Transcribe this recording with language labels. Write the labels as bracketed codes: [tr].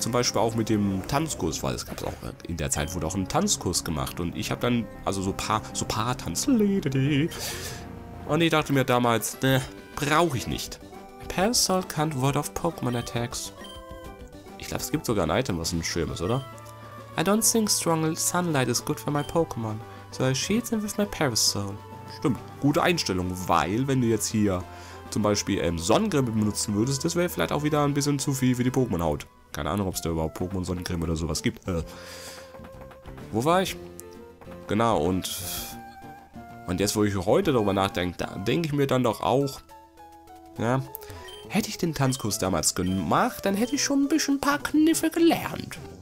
[de] Zum Beispiel auch mit dem Tanzkurs, weil es gab auch, in der Zeit wurde auch ein Tanzkurs gemacht. Und ich habe dann, also so paar Tanzlieder, und ich dachte mir damals, ne, brauche ich nicht. [en] Pencil can't ward off Pokémon Attacks. [de] Ich glaube, es gibt sogar ein Item, was ein Schirm ist, oder? [en] I don't think strong sunlight is good for my Pokémon, so I shield them with my Parasol. [de] Stimmt, gute Einstellung, weil wenn du jetzt hier zum Beispiel Sonnencreme benutzen würdest, das wäre vielleicht auch wieder ein bisschen zu viel für die Pokémon-Haut. Keine Ahnung, ob es da überhaupt Pokémon-Sonnencreme oder sowas gibt. Wo war ich? Genau, und jetzt, wo ich heute darüber nachdenke, da denke ich mir dann doch auch, ja, hätte ich den Tanzkurs damals gemacht, dann hätte ich schon ein bisschen ein paar Kniffe gelernt.